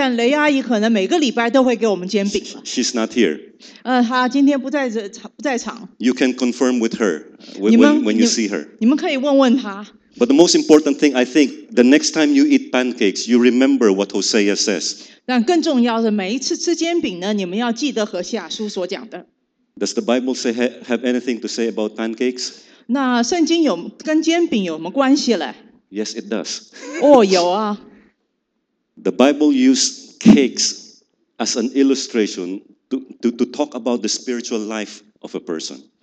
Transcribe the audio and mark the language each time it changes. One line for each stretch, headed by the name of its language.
Chinese: 那我不知道会不会，但雷阿姨可能每个礼拜都会给我们煎饼。
English: She's not here.
Chinese: 她今天不在场。
English: You can confirm with her when you see her.
Chinese: 你们可以问问她。
English: But the most important thing, I think, the next time you eat pancakes, you remember what Hosea says.
Chinese: 但更重要的，每一次吃煎饼呢，你们要记得和西亚书所讲的。
English: Does the Bible say have anything to say about pancakes?
Chinese: 那圣经有跟煎饼有什么关系嘞？
English: Yes, it does.
Chinese: 哦，有啊。
English: The Bible used cakes as an illustration to talk about the spiritual life of a person.